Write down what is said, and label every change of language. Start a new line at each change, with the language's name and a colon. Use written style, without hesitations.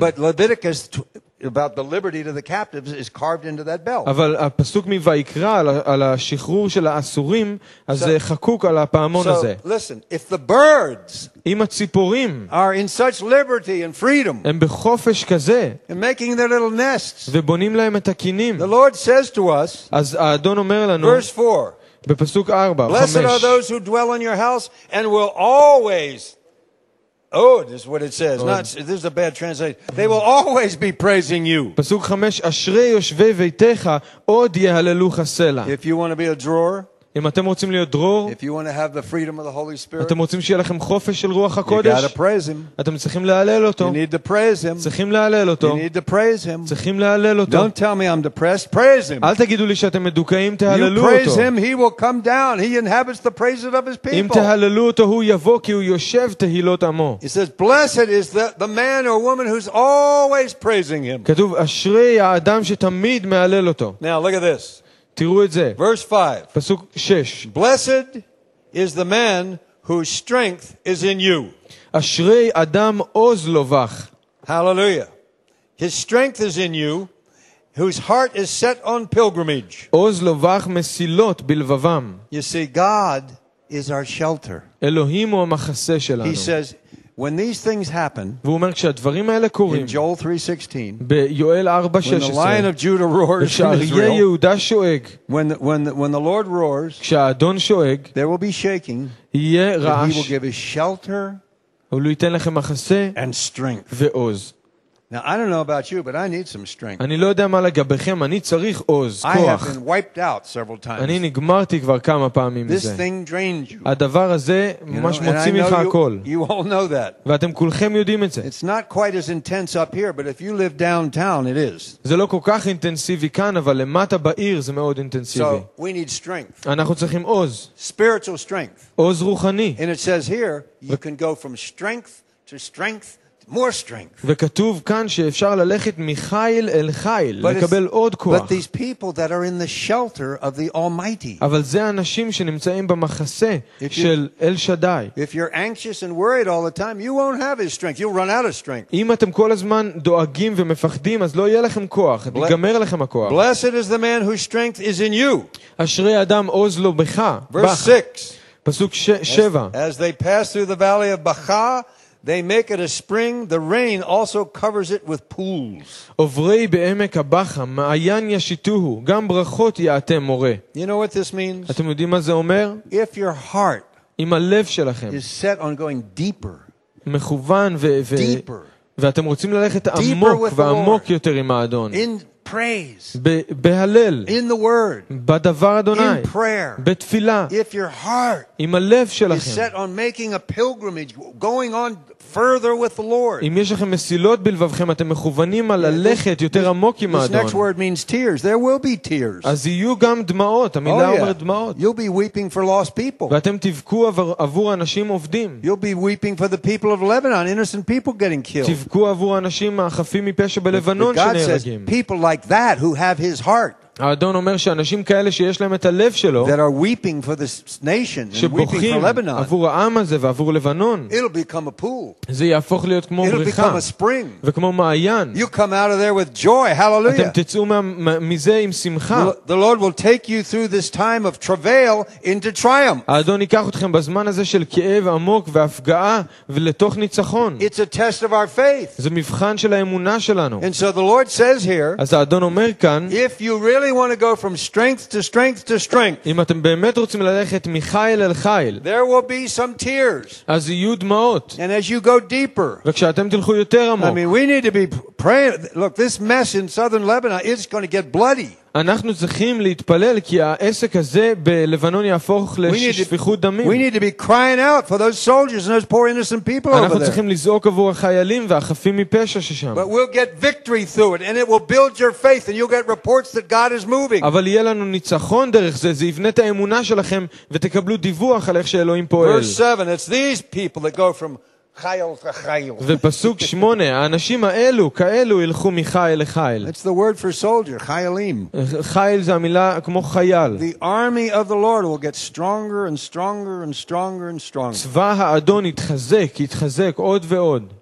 English: But Leviticus about the liberty to the captives is carved into that bell.
Hebrew: אבל הפסוק מויקרא על השחרור של האסורים אז חקוק על הפעמון הזה.
English: So listen, if the birds
Hebrew: אם הציפורים
English: are in such liberty and freedom
Hebrew: הם בחופש כזה
English: and making their little nests
Hebrew: ובונים להם את הקינים.
English: The Lord says to us
Hebrew: אז האדון אומר לנו
English: verse 4
Hebrew: בפסוק 4
English: 5 Blessed are those who dwell in your house and will always Oh, this is what it says. Not this is a bad translation. They will always be praising you.
Hebrew: פסוק 5 אשרי יושבי ביתך עוד יהללו חסלה.
English: If you want to be a drawer,
Hebrew: אם אתם רוצים להיות דרור,
English: if you want to have the freedom of the Holy Spirit,
Hebrew: אתם רוצים שיהיה לכם חופש של רוח הקודש,
English: you got to praise him.
Hebrew: אתם צריכים להלל אותו.
English: You need to praise him.
Hebrew: צריכים להלל אותו.
English: You need to praise him.
Hebrew: צריכים להלל אותו.
English: Don't tell me I'm depressed. Praise him.
Hebrew: אל תגידו לי שאתם מדוכאים, תהללו אותו.
English: You praise him, he will come down. He inhabits the praises of his people.
Hebrew: אם תהללו אותו, הוא יבוא כי הוא יושב תהילות עמו.
English: He says, blessed is the man or woman who's always praising him.
Hebrew: כתוב אשרי האדם שתמיד מהלל אותו.
English: Now look at this.
Hebrew: תראו את זה.
English: Verse 5.
Hebrew: פסוק 6.
English: Blessed is the man whose strength is in you.
Hebrew: אשרי אדם עוז לובח. Hallelujah.
English: His strength is in you whose heart is set on pilgrimage.
Hebrew: עוז לובח מסילות בלבבם.
English: You see, God is our shelter.
Hebrew: אלוהים הוא המחסה שלנו.
English: He says, when these things happen,
Hebrew: והוא אומר כשהדברים האלה קורים,
English: in Joel 3:16,
Hebrew: ביואל 4:16,
English: when the lion of Judah roars,
Hebrew: כשאריה יהודה שואג,
English: when the Lord roars,
Hebrew: כשהאדון שואג,
English: there will be shaking,
Hebrew: יהיה רעש,
English: and he will give us shelter,
Hebrew: הוא ייתן לכם מחסה,
English: and strength,
Hebrew: ועוז.
English: Now I don't know about you, but I need some strength.
Hebrew: אני לא יודע מה לגביכם, אני צריך עוז, כוח.
English: I have been wiped out several times.
Hebrew: אני נגמרתי כבר כמה פעמים מזה.
English: This thing drains you.
Hebrew: הדבר הזה ממש מוציא ממך הכל. You all know that. ואתם כולכם יודעים את זה.
English: It's not quite as intense up here, but if you live downtown, it is.
Hebrew: זה לא כל כך אינטנסיבי כאן, אבל למטה בעיר זה מאוד אינטנסיבי.
English: So we need strength.
Hebrew: אנחנו צריכים עוז.
English: Spiritual strength.
Hebrew: עוז רוחני.
English: And it says here, you can go from strength to strength. More strength.
Hebrew: וכתוב כאן שאפשר ללכת מחיל אל חיל, לקבל עוד כוח.
English: But these people that are in the shelter of the Almighty.
Hebrew: אבל זה אנשים שנמצאים במחסה של אל שדי.
English: If you're anxious and worried all the time, you won't have his strength. You'll run out of strength.
Hebrew: אם אתם כל הזמן דואגים ומפחדים, אז לא יהיה לכם כוח, יגמר לכם הכוח.
English: Blessed is the man whose strength is in you.
Hebrew: אשרי אדם עוז לו בך.
English: פסוק 7. As they pass through the valley of Baca, they make it a spring, the rain also covers it with pools.
Hebrew: עוברי בעמק הבכה, מעיין ישיתוהו, גם ברכות יעתם מורה.
English: You know what this means?
Hebrew: אתם יודעים מה זה אומר?
English: If your heart
Hebrew: אם הלב שלכם
English: is set on going deeper,
Hebrew: מכוון deeper, ואתם רוצים ללכת עמוק ועמוק יותר עם האדון.
English: In praise.
Hebrew: בהלל.
English: In the word.
Hebrew: בדבר אדוני.
English: In prayer.
Hebrew: בתפילה.
English: If your heart
Hebrew: אם הלב שלכם
English: is set on making a pilgrimage, going on further with the Lord.
Hebrew: אם יש לכם מסילות בלבבכם, אתם מכוונים על הלכת יותר עמוק עם האדון.
English: This next word means tears. There will be tears.
Hebrew: אז יהיו גם דמעות. המילה אומרת דמעות.
English: You'll be weeping for lost people.
Hebrew: ואתם תבכו עבור אנשים עובדים.
English: You'll be weeping for the people of Lebanon, innocent people getting killed.
Hebrew: תבכו עבור אנשים החפים מפשע בלבנון שנהרגים.
English: People like that who have his heart
Hebrew: האדון אומר שאנשים כאלה שיש להם את הלב שלו
English: that are weeping for this nation and weeping for Lebanon
Hebrew: עבור העם הזה ועבור לבנון
English: it'll become a pool
Hebrew: זה יהפוך להיות כמו
English: it'll
Hebrew: בריכה
English: become a spring
Hebrew: וכמו מעיין
English: you come out of there with joy hallelujah
Hebrew: אתם תצאו מזה עם שמחה
English: the Lord will take you through this time of travail into triumph
Hebrew: האדון ייקח אתכם בזמן הזה של כאב עמוק והפגעה ולתוך ניצחון
English: it's a test of our faith
Hebrew: זה מבחן של האמונה שלנו
English: and so the Lord says here
Hebrew: אז האדון אומר כאן
English: if you really want to go from strength to strength to strength.
Hebrew: אם אתם באמת רוצים ללכת מחיל אל חיל.
English: There will be some tears.
Hebrew: אז יהיו דמעות.
English: And as you go deeper.
Hebrew: וכשאתם תלכו יותר עמוק.
English: I mean we need to be praying. Look, this mess in southern Lebanon is going to get bloody.
Hebrew: אנחנו צריכים להתפלל כי העסק הזה בלבנון יהפוך לשפיכות דמים.
English: We need to be crying out for those soldiers and those poor innocent people over there.
Hebrew: אנחנו צריכים לזעוק עבור החיילים והחפים מפשע ששם.
English: But we'll get victory through it and it will build your faith and you'll get reports that God is moving.
Hebrew: אבל יהיה לנו ניצחון דרך זה, זה יבנה את האמונה שלכם ותקבלו דיווח על איך שאלוהים פועל.
English: Verse 7, it's these people that go from
Hebrew: חייל לחייל. ופסוק 8, האנשים האלו, כאלו, הלכו מחייל לחייל.
English: It's the word for soldier, חיילים.
Hebrew: חייל זה המילה כמו חייל.
English: The army of the Lord will get stronger and stronger and stronger and stronger.
Hebrew: צבא האדון יתחזק, יתחזק עוד ועוד.